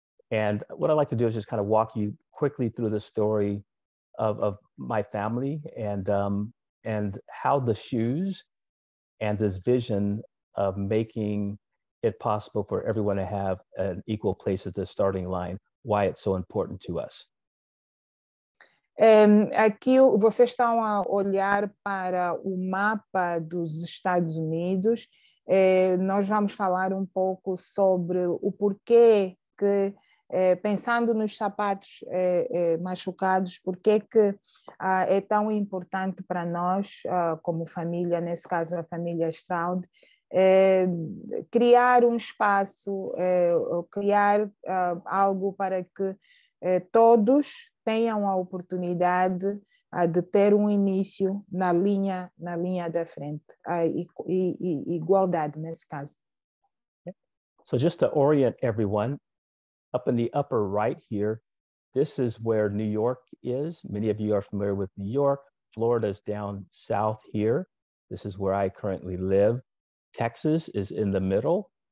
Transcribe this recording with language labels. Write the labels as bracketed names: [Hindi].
[English] And what I'd like to do is just kind of walk you quickly through the story of my family and how the shoes and this vision of making it possible for everyone to have an equal place at the starting line, why it's so important to us. [Portuguese] Aqui vocês estão a olhar para o mapa dos Estados Unidos. Nós vamos falar um pouco sobre o porquê que, pensando nos sapatos machucados, porquê que é tão importante para nós, como família, nesse caso a família Stroud, criar um espaço, criar algo para que todos tenham a oportunidade de ter um início na linha da frente, e igualdade nesse caso. [English] So just to orient everyone, up in the upper right here, this is where New York is. Many of you are familiar with New York. Florida is down south here. This is where I currently live. Texas is in the middle.